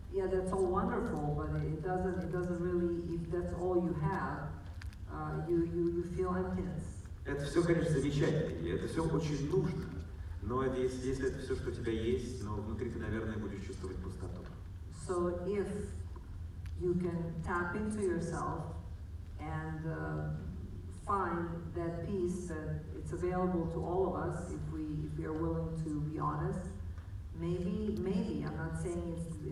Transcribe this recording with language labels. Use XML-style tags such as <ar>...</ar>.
<en>That's all wonderful, but it doesn't really, if that's all you have, you feel emptiness.</en> <ru>Это все, конечно, замечательно, и это все очень нужно. Но если это все, что у тебя есть, но внутри ты, наверное, будешь чувствовать пустоту.</ru> <en>So if you can tap into yourself and find that peace that it's available to all of us, if we are willing to be honest, maybe I'm not saying it's</en>